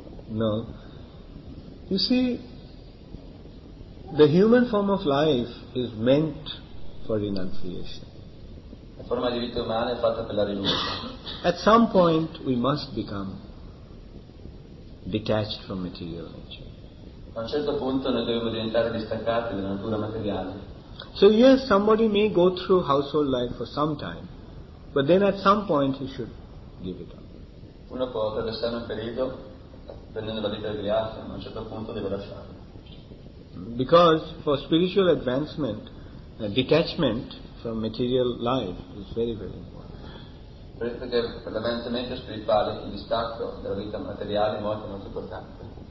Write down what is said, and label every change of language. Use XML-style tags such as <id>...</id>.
<en>No. You see, the human form of life is meant for renunciation.</en> <it>La forma di vita umana è fatta per la rinuncia.</it> <en>At some point we must become detached from material nature.</en> <it>A un certo punto noi dobbiamo diventare distaccati dalla natura materiale.</it> <en>So yes, somebody may go through household life for some time, but then at some point he should give it up.</en> <it>Uno può attraversare un periodo prendendo la vita degli altri, ma a un certo punto deve lasciarlo.</it> <en>Because for spiritual advancement detachment from material life is very, very important.</en> <it>Credo che per l'avanzamento spirituale il distacco dalla vita materiale è molto, molto importante.</it>